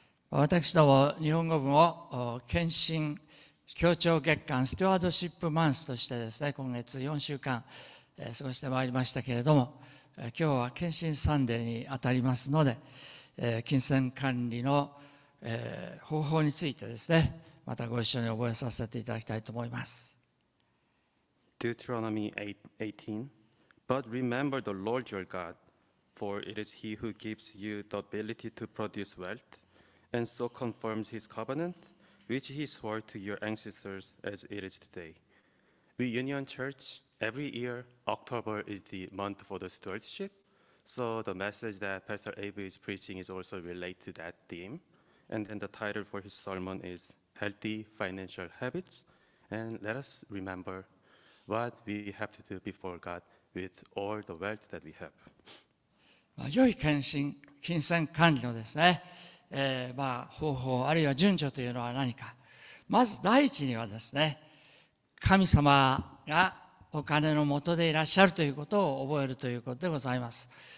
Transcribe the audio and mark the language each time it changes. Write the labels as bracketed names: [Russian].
[Japanese] 私ども日本語文を献身協調月間ステュワードシップマンスとしてですね、今月4週間過ごしてまいりましたけれども、今日は献身サンデーにあたりますので、金銭管理の方法についてですね、またご一緒に覚えさせていただきたいと思います。 [English] Deuteronomy 18 But remember the Lord your God, for it is he who gives you the ability to produce wealth and so confirms his covenant which he swore to your ancestors as it is today. We Union Church, every year October is the month for the stewardship, so the message that Pastor Abe is preaching is also related to that themeAnd then the title for his sermon is Healthy Financial Habits. And let us remember what we have to do before God with all the wealth that we have. [Japanese] 良い献身、金銭管理のですね、方法あるいは順序というのは何か。まず第一にはですね、神様がお金のもとでいらっしゃるということを覚えるということでございます。